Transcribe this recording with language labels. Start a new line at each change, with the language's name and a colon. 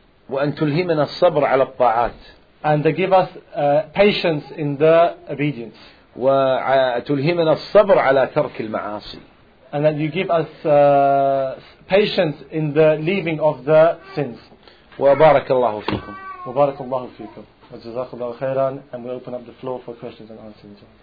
Arabic: وأن تلهمنا الصبر على الطاعات.
English: And they give us patience in the obedience.
Arabic: وتلهمنا الصبر على ترك المعاصي.
English: And that you give us patience in the leaving of the sins.
Arabic: وبارك الله فيكم. وبارك الله فيكم. وجزاك الله خيرا.
English: And we open up the floor for questions and answers.